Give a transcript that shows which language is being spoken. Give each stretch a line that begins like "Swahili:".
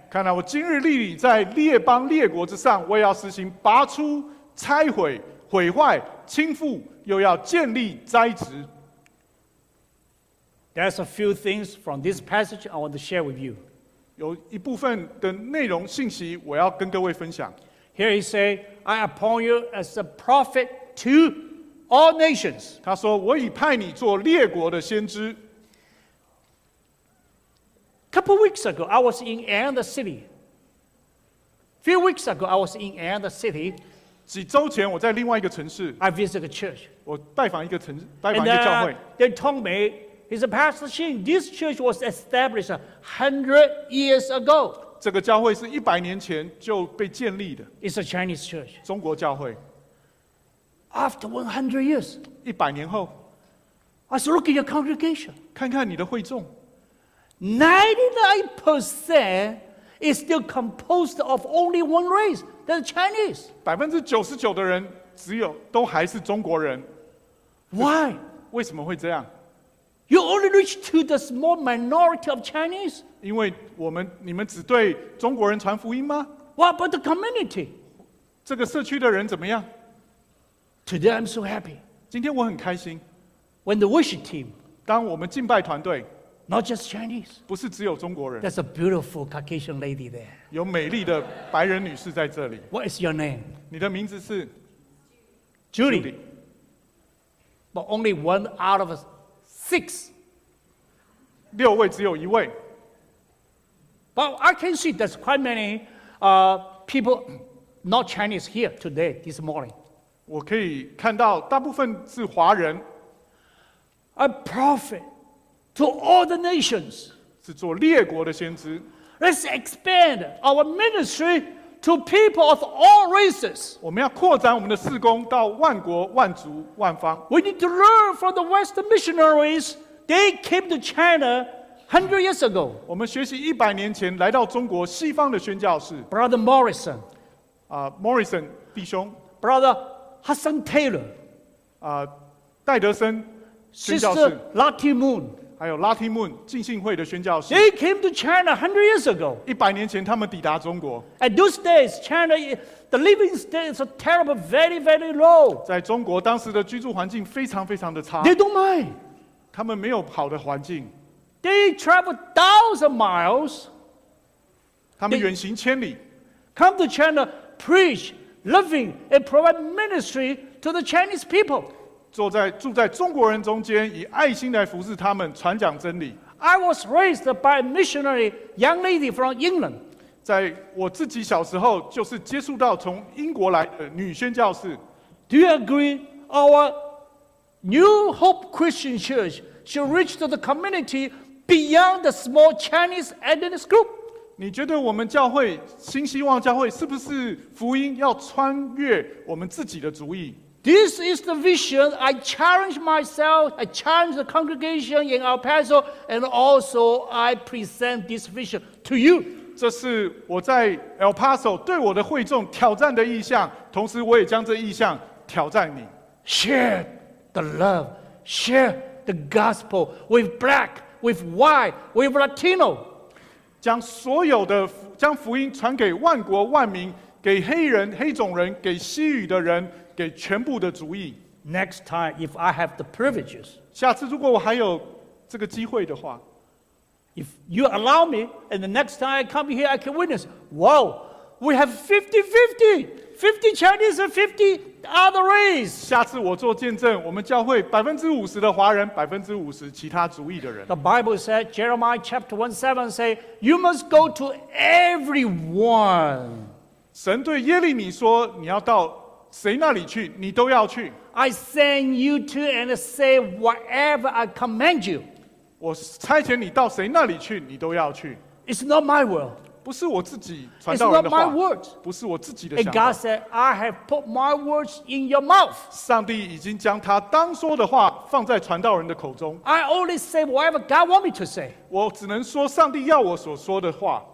Chinese: 看啊，我今日立你在列邦列国之上，我要实行拔出、拆毁、毁坏、倾覆，又要建立、栽植。
English: There's a few things from this passage I want to share with you.
Chinese: 有一部分的内容信息我要跟各位分享。
English: Here he say, I appoint you as a prophet to all nations.
Chinese: 他说，我已派你做列国的先知。
English: Couple weeks ago, I was in another city. Few weeks ago, I was in another city.
Chinese: 几周前，我在另外一个城市。
English: I visited a church.
Chinese: 我拜访一个城，拜访一个教会。
English: They told me, he's a pastor Shin. This church was established 100 years ago.
Chinese: 这个教会是100年前就被建立的。
English: It's a Chinese church.
Chinese: 中国教会。
English: After 100 years.
Chinese: 100年后。
English: I said, look at your congregation.
Chinese: 看看你的会众。
English: 99% is still composed of only one race, that's Chinese.
Chinese: 99% 的人只有都还是中国人。
English: Why?
Chinese: 为什么会这样？
English: You only reach to the small minority of Chinese.
Chinese: 因为我们你们只对中国人传福音吗？
English: What about the community?
Chinese: 这个社区的人怎么样？
English: Today I'm so happy.
Chinese: 今天我很开心。
English: When the worship team.
Chinese: 当我们敬拜团队。
English: Not just Chinese.
Chinese: 不是只有中国人。
English: There's a beautiful Caucasian lady there.
Chinese: 有美丽的白人女士在这里。
English: What is your name?
Chinese: 你的名字是
English: Julie. Julie. But only one out of six.
Chinese: 六位只有一位。
English: But I can see there's quite many people not Chinese here today, this morning.
Chinese: 我可以看到大部分是华人。
English: A prophet. To all the nations.
Chinese: 是做列国的先知。
English: Let's expand our ministry to people of all races.
Chinese: 我们要扩展我们的事工到万国、万族、万方。
English: We need to learn from the Western missionaries. They came to China 100 years ago.
Chinese: 我们学习一百年前来到中国西方的宣教士。
English: Brother Morrison.
Chinese: Morrison 弟兄。
English: Brother Hudson Taylor.
Chinese: 戴德森宣教士。
English: Sister Lati Moon.
Chinese: 还有拉丁穆浸信会的宣教士。
English: They came to China 100 years ago.
Chinese: 一百年前，他们抵达中国。
English: At those days, China, the living standards are terrible, very, very low.
Chinese: 在中国，当时的居住环境非常非常的差。
English: They don't mind.
Chinese: 他们没有好的环境。
English: They travel thousand miles.
Chinese: 他们远行千里。
English: Come to China, preach, living, and provide ministry to the Chinese people.
Chinese: 住在中国人中间，以爱心来服侍他们，传讲真理。
English: I was raised by a missionary young lady from England.
Chinese: 在我自己小时候，就是接触到从英国来的女宣教士。
English: Do you agree our New Hope Christian Church should reach to the community beyond the small Chinese ethnic group?
Chinese: 你觉得我们教会新希望教会是不是福音要穿越我们自己的族裔？
English: This is the vision I challenge myself, I challenge the congregation in El Paso, and also I present this vision to you.
Chinese: 这是我在 El Paso 对我的会众挑战的意向，同时我也将这意向挑战你。
English: Share the love, share the gospel with black, with white, with Latino.
Chinese: 将福音传给万国万民，给黑人、黑种人，给西语的人。给全部的主意。
English: Next time, if I have the privileges,
Chinese: 下次如果我还有这个机会的话
English: ，if you allow me, and the next time I come here, I can witness. Wow, we have 50-50 Chinese and 50 other race.
Chinese: 下次我做见证，我们教会50%的华人，50%其他主意的人。
English: The Bible said, Jeremiah chapter 1:7 say, "You must go to everyone."
Chinese: 神对耶利米说，你要到。谁那里去，你都要去。
English: I send you to and say whatever I command you.
Chinese: 我差遣你到谁那里去，你都要去。
English: It's not my will.
Chinese: 不是我自己传道人的话。
English: It's not my words.
Chinese: 不是我自己的想
English: 法。And God said, I have put my words in your mouth.
Chinese: 上帝已经将他当说的话放在传道人的口中。
English: I only say whatever God wants me to say.
Chinese: 我只能说上帝要我所说的话。